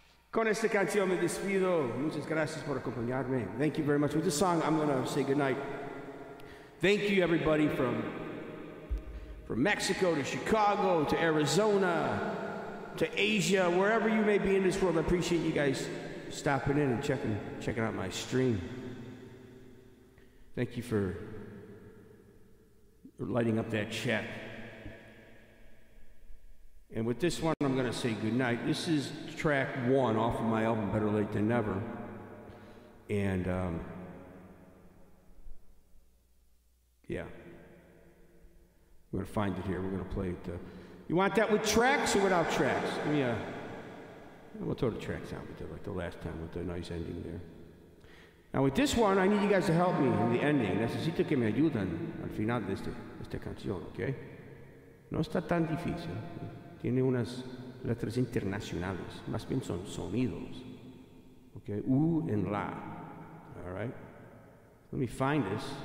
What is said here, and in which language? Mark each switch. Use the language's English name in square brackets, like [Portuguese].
[Spanish] Con esta canción me despido. Muchas gracias por acompañarme. [English] Thank you very much. With this song, I'm going to say goodnight. Thank you, everybody, from Mexico to Chicago to Arizona to Asia, wherever you may be in this world. I appreciate you guys stopping in and checking out my stream. Thank you for lighting up that chat. And with this one, I'm going to say goodnight. This is track one off of my album, Better Late Than Never. And, yeah. We're going to find it here. We're going to play it. You want that with tracks or without tracks? Let me, we'll throw the tracks out with it, like the last time with the nice ending there. Now, with this one, I need you guys to help me in the ending. [Spanish] Necesito que me ayuden al final de esta canción, okay? No está tan difícil. Tiene unas letras internacionales. Más bien son sonidos. [English] Okay, U and La. All right. Let me find this.